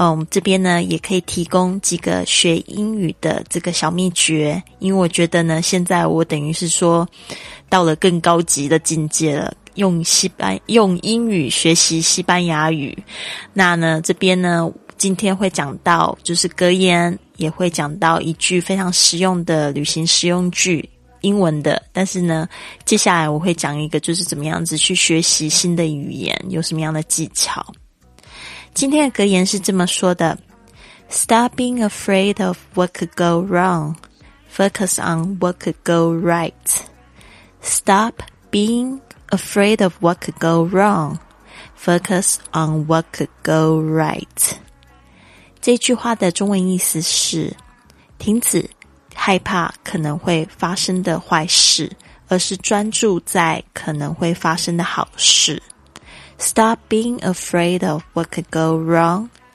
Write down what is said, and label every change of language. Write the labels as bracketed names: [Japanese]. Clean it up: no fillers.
[Chinese] 这边呢也可以提供几个学英语的这个小秘诀，因为我觉得呢现在我等于是说到了更高级的境界了，用英语学习西班牙语。那呢这边呢今天会讲到就是格言，也会讲到一句非常实用的旅行实用句，英文的，但是呢接下来我会讲一个就是怎么样子去学习新的语言，有什么样的技巧。今天的格言是这么说的， [English] Stop being afraid of what could go wrong, focus on what could go right. Stop being afraid of what could go wrong, focus on what could go right. [Chinese] 这句话的中文意思是，停止害怕可能会发生的坏事，而是专注在可能会发生的好事。 [English] Stop being afraid of what could go wrong.